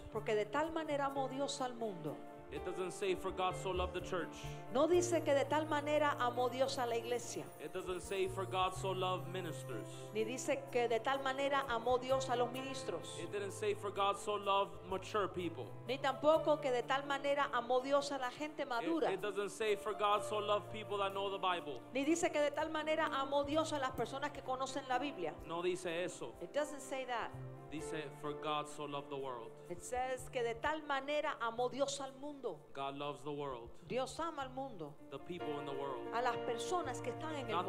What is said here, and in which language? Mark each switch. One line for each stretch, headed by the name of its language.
Spanish: Porque de tal manera amó Dios al mundo.
English: It doesn't say for God so loved the church.
Spanish: No dice que de tal manera amó Dios a la iglesia.
English: It doesn't say for God so loved ministers.
Spanish: Ni dice que de tal manera amó Dios a los ministros.
English: It didn't say for God so loved mature people.
Spanish: Ni tampoco que de tal manera amó Dios a la gente madura.
English: It doesn't say for God so loved people that know the Bible.
Spanish: Ni dice que de tal manera amó Dios a las personas que conocen la Biblia. No dice eso.
English: It doesn't say that.
Spanish: Dice,
English: for God so loved the world. It says
Spanish: que de tal manera amó Dios al mundo.
English: God loves the world.
Spanish: Dios ama al mundo.
English: The people in the world.
Spanish: A las personas que están en el mundo.